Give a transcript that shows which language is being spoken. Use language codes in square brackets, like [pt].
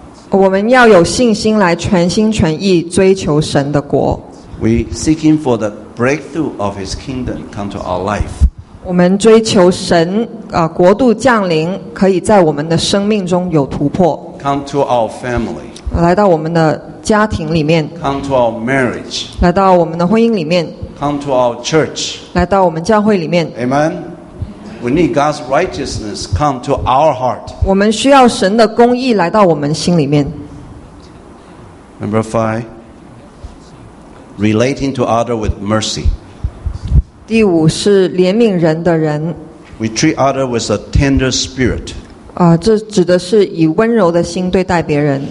[zh] 我们要有信心来全心全意追求神的国。 [en] We seeking for the breakthrough of His kingdom come to our life. [zh] 我们追求神国度降临，可以在我们的生命中有突破。 [en] Come to our family. [zh] 来到我们的家庭里面。 [en] Come to our marriage. [zh] 来到我们的婚姻里面。 [en] Come to our church. [zh] 来到我们教会里面。 [en] Amen. We need God's righteousness come to our heart. [zh] 我们需要神的公义来到我们心里面。 [en] Number five, relating to others with mercy. [zh] 第五是怜悯人的人。 [en] We treat others with a tender spirit. [zh] 这指的是以温柔的心对待别人。